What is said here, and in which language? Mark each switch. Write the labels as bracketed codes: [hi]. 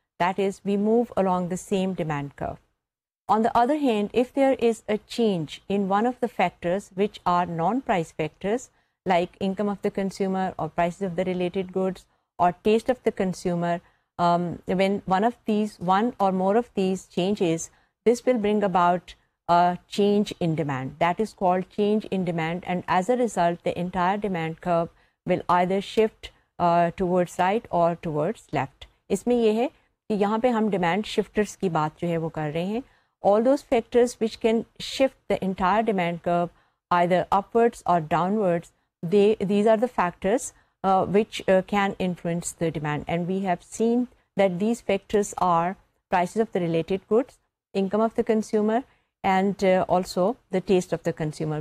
[en] That is, we move along the same demand curve. On the other hand, if there is a change in one of the factors which are non-price factors, like income of the consumer or prices of the related goods or taste of the consumer, when one or more of these changes, this will bring about a change in demand. That is called change in demand, and as a result, the entire demand curve will either shift towards right or towards left. [ur] اس میں یہ ہے کہ یہاں پہ ہم demand shifters کی بات جو ہے وہ کر رہے ہیں. [en] All those factors which can shift the entire demand curve either upwards or downwards, these are the factors which can influence the demand. And we have seen that these factors are prices of the related goods, income of the consumer, and also the taste of the consumer.